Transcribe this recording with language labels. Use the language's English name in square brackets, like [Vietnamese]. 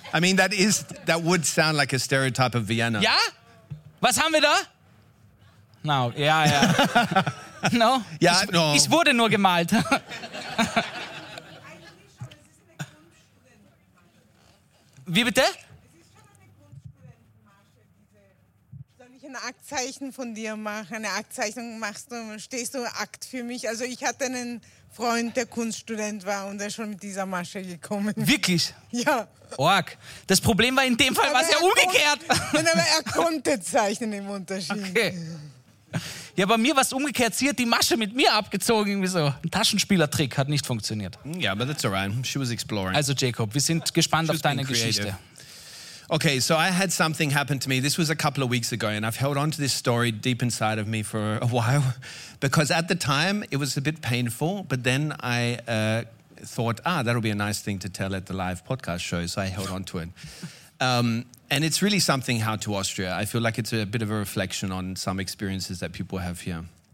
[English] I mean, that would sound like a stereotype of Vienna. [German] Ja? Was haben wir da? No, ja, ja. No? Ja, ich, no. Ich wurde nur gemalt. Wie bitte? Ein Aktzeichen von dir machen, eine Aktzeichnung machst du, stehst du Akt für mich. Also ich hatte einen Freund, der Kunststudent war und der schon mit dieser Masche gekommen. Wirklich? Ja. Org. Das Problem war in dem Fall, war es ja umgekehrt. Aber er konnte zeichnen im Unterschied. Okay. Ja, bei mir war es umgekehrt, sie hat die Masche mit mir abgezogen, irgendwie so. Ein Taschenspielertrick hat nicht funktioniert. [English] Ja, yeah, but that's all right. She was exploring. [German] Also Jacob, wir sind gespannt auf deine Geschichte. [English] Okay, so I had something happen to me. This was a couple of weeks ago, and I've held on to this story deep inside of me for a while because at the time it was a bit painful, but then I thought, that'll be a nice thing to tell at the live podcast show, so I held on to it. And it's really something how to Austria. I feel like it's a bit of a reflection on some experiences that people have here.